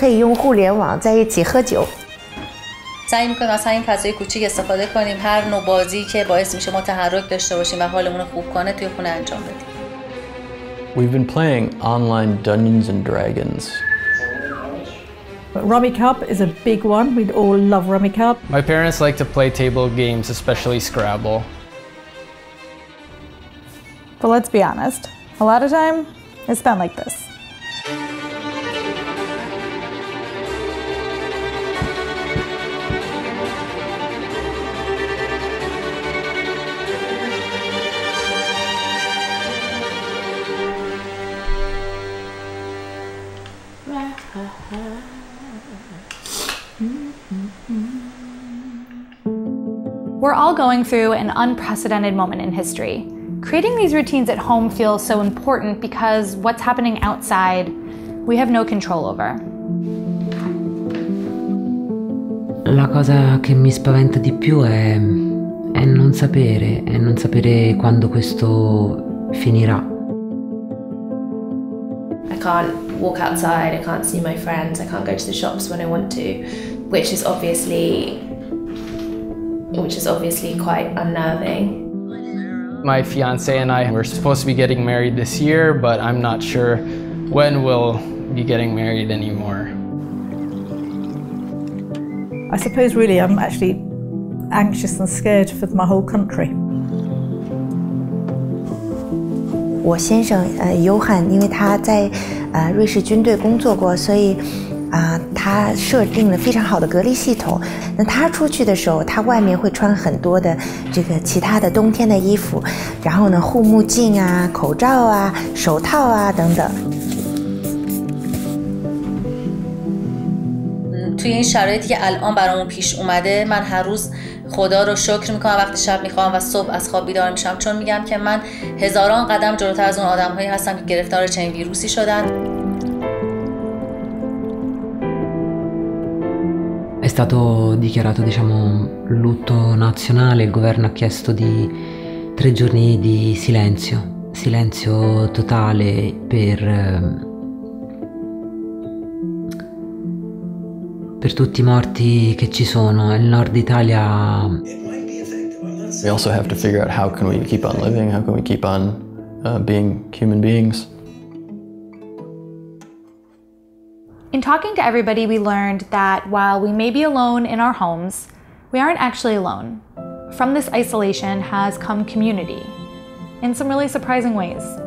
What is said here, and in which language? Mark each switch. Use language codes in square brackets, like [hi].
[zh] 我父亲他实际上平时不是一个特别会用网络或用手机的人，但是他们可以用互联网在一起喝酒。 [fa] سعیم کنم از همین فضای کوچیک استفاده کنیم هر نوع بازی که باعث میشه ما تحرک داشته باشیم و حالمون رو خوب کنه توی خونه انجام بدیم. [en] We've been playing online Dungeons and Dragons. But Rummy Cup is a big one. We'd all love Rummy Cup. My parents like to play table games, especially Scrabble. But let's be honest, a lot of time is spent like this. Mm-hmm. We're all going through an unprecedented moment in history. Creating these routines at home feels so important because what's happening outside, we have no control over. [it] La cosa che mi spaventa di più è non sapere quando questo finirà. [en] I can't walk outside, I can't see my friends, I can't go to the shops when I want to, which is obviously quite unnerving. My fiance and I were supposed to be getting married this year, but I'm not sure when we'll be getting married anymore. I suppose really I'm actually anxious and scared for my whole country. [zh] 我先生, Johan, 因为他在, 瑞士军队工作过, 所以, 他设定了非常好的隔离系统, 那他出去的时候, 他外面会穿很多的这个其他的冬天的衣服, 然后呢, 护目镜啊, 口罩啊, 手套啊, 等等。 [fa] توی این شرایطی که الان برامون پیش اومده من هر روز خدا رو شکر میکنم وقتی شب میخوام و صبح از خواب بیدار میشم چون میگم که من هزاران قدم جلوتر از اون آدم هایی هستم که گرفتار چنین ویروسی شدن. [it] È stato dichiarato diciamo lutto nazionale, il governo ha chiesto di 3 giorni di silenzio, silenzio totale per tutti I morti che ci sono nel nord Italia. [en] We also have to figure out how can we keep on living, how can we keep on being human beings. In talking to everybody, we learned that while we may be alone in our homes, we aren't actually alone. From this isolation has come community in some really surprising ways.